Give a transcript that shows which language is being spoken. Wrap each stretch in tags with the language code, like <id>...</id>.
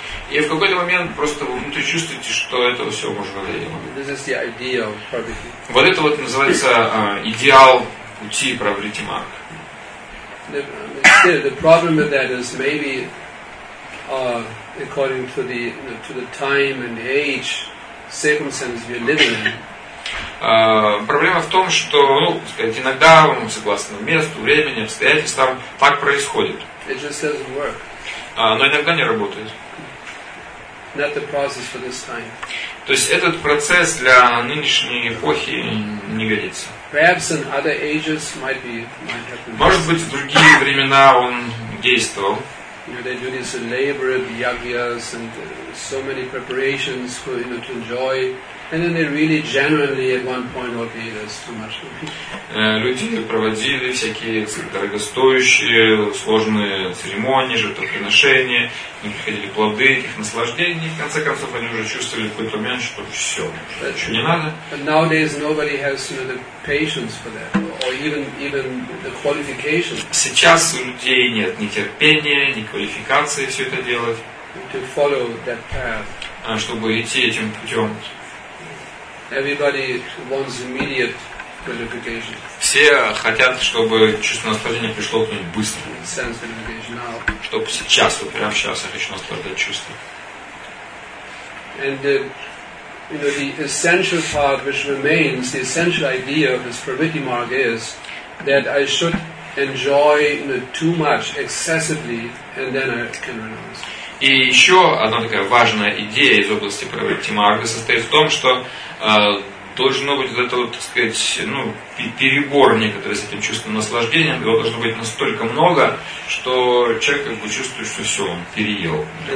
<ru>И в какой-то момент просто вы внутри чувствуете, что это все уже надоело. Вот это вот называется идеал пути пробрити марг.</ru> <en>The problem with that is maybe according to the, you know, to the time and age circumstances you're living in.</en> <ru>Проблема в том, что, ну, сказать, иногда, ну, согласно месту, времени, обстоятельствам, так происходит.</ru> <en>It just doesn't work.</en> <ru>Но иногда не работает.</ru> <en>Not the process for this time.</en> <ru>То есть этот процесс для нынешней эпохи не годится.</ru> <en>Perhaps in other ages might be, might have been.</en> <ru>Может быть, в другие времена он действовал.</ru> <en>You know, they do this labor, the yagyas, and so many preparations for, you know, to enjoy. And then they really generally at one point would be, that's too much for me.</en> <ru>Люди проводили всякие дорогостоящие, сложные церемонии, жертвоприношения, им приходили плоды этих наслаждений, в конце концов они уже чувствовали в какой-то момент, что все, ничего не надо.</ru> <en>But nowadays nobody has, you know, the patience for that, or even the qualification.</en> <ru>Сейчас у людей нет ни терпения, ни квалификации все это делать.</ru> <en>To follow that path.</en> <ru>Чтобы идти этим путем.</ru> <en>Everybody wants immediate qualification.</en> <ru>Все хотят, чтобы чувство наслаждения пришло к ним быстро.</ru> <en>Sense qualification now.</en> <ru>Чтобы сейчас, вот прямо сейчас я хочу наслаждать чувство.</ru> <en>And you know, the essential part which remains, the essential idea of this pravritti marg is that I should enjoy, you know, too much excessively and then I can renounce.</en> <ru>И еще одна такая важная идея из области правильного марга состоит в том, что должно быть вот это вот, так сказать, ну, перебор некоторый с этим чувством наслаждения, его должно быть настолько много, что человек как бы чувствует, что все, он переел для</ru>